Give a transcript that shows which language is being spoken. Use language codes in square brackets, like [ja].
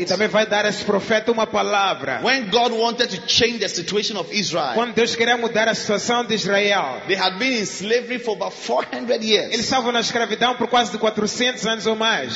[pt] E também vai dar a esse profeta uma palavra. [en] When God wanted to change the situation of Israel. [pt] Quando Deus queria mudar a situação de Israel. [en] They had been in slavery for about 400 years. [pt] Eles estavam na escravidão por quase de 400 anos ou mais.